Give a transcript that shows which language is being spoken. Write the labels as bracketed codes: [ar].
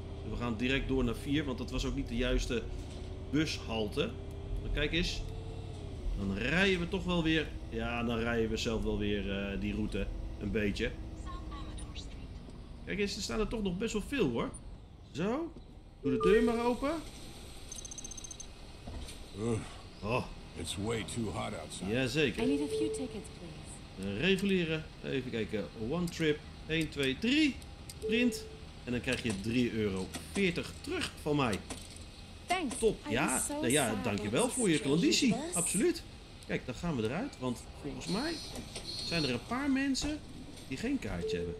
[nl] We gaan direct door naar 4, want dat was ook niet de juiste bushalte. Maar kijk eens, dan rijden we toch wel weer, ja, dan rijden we zelf wel weer die route, een beetje. Kijk eens, er staan er toch nog best wel veel hoor. Zo, doe de deur maar open. [en] Oh, it's way too hot outside. [nl] Jazeker. [en] I need a few tickets, please. [nl] Reguleren. Even kijken. [en] One trip. [nl] 1, 2, 3. Print. En dan krijg je €3,40 terug van mij. [en] Thanks. [nl] Top. Ja, nou ja, dankjewel voor je conditie. Absoluut. Kijk, dan gaan we eruit. Want volgens mij zijn er een paar mensen die geen kaartje hebben.